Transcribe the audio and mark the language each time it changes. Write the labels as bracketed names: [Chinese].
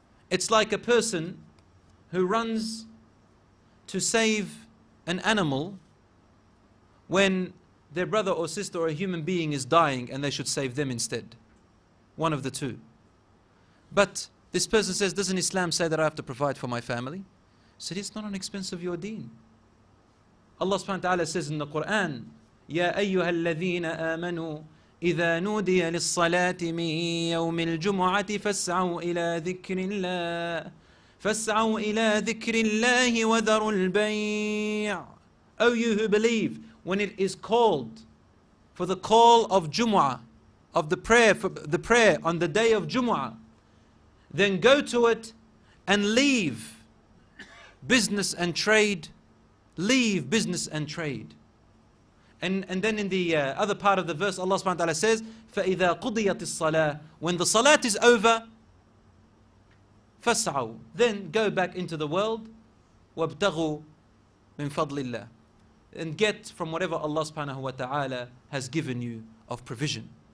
[English] It's like a person who runs to save an animal when their brother or sister or a human being is dying and they should save them instead. One of the two. But this person says, doesn't Islam say that I have to provide for my family? I said, it's not on expense of your deen. [Arabic] Allah subhanahu wa ta'ala says in the Quran, يَا أَيُّهَا الَّذِينَ آمَنُوا إِذَا نُودِيَ لِلصَّلَاةِ مِنْ يَوْمِ الْجُمُعَةِ فَاسْعَوْا إِلَىٰ ذِكْرِ اللَّهِ فَاسْعَوْا إِلَىٰ ذِكْرِ اللَّهِ وَذَرُوا الْبَيْعِ. [English] O you who believe, when it is called for the call of Jumu'ah, of the prayer, for the prayer on the day of Jumu'ah, then go to it and leave business and trade. Leave business and trade. And then in the other part of the verse, Allah subhanahu wa ta'ala says, [Arabic] فَإِذَا قُضِيَتِ الصَّلَاةِ, [English] when the salat is over, [Arabic] فَاسْعَوْا, [English] then go back into the world, [Arabic] وَابْتَغُوا مِنْ فَضْلِ اللَّهِ, [English] and get from whatever Allah subhanahu wa ta'ala has given you of provision.